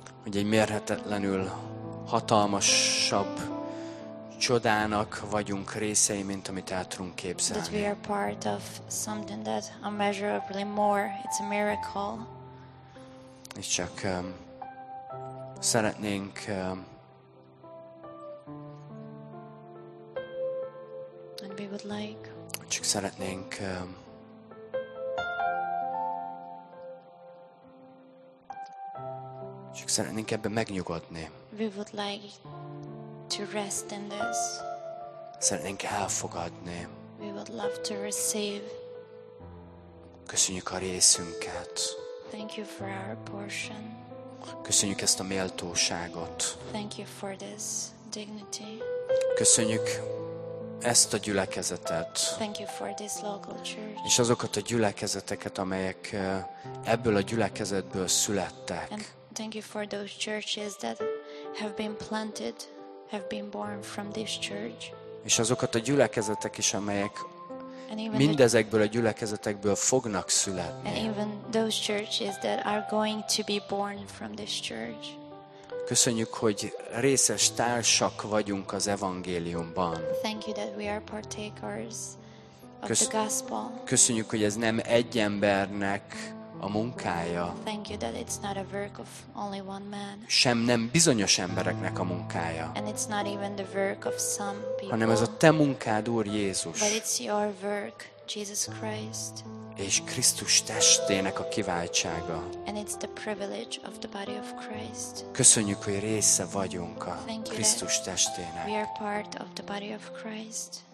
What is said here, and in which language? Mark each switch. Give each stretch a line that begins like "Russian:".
Hungarian: Hogy egy mérhetetlenül hatalmasabb csodának vagyunk részei, mint amit el tudunk képzelni.
English: That we are part of something that immeasurably more. It's a miracle.
Hungarian: És csak szeretnénk
English: and we would like
Hungarian: csak szeretnénk csak szeretnénk ebben megnyugodni.
English: We would like to rest in this.
Hungarian: Szeretnénk elfogadni.
English: We would love to receive.
Hungarian: Köszönjük a részünket.
English: Thank you for our portion.
Hungarian: Köszönjük ezt a méltóságot.
English: Thank you for this dignity.
Hungarian: Köszönjük ezt a gyülekezetet.
English: Thank you for this local church.
Hungarian: És azokat a gyülekezeteket, amelyek ebből a gyülekezetből születtek.
English: And thank you for those churches that have been planted, have been born from this church.
Hungarian: És azokat a gyülekezetek is, amelyek mindezekből a gyülekezetekből fognak születni.
English: And even those churches that are going to be born from this church.
Hungarian: Köszönjük, hogy részes társak vagyunk az evangéliumban.
English: Thank you that we are partakers of the gospel.
Hungarian: Köszönjük, hogy ez nem egy embernek a munkája.
English: Thank you that it's not a work of only one man.
Hungarian: Sem nem bizonyos embereknek a munkája.
English: And it's not even the work of some people.
Hungarian: Hanem ez a te munkád, Úr Jézus.
English: But it's your work, Jesus Christ.
Hungarian: És Krisztus testének a kiváltsága.
English: And it's the privilege of the body of Christ.
Hungarian: Köszönjük, hogy része vagyunk a Krisztus testének.
English: We are part of the body of Christ.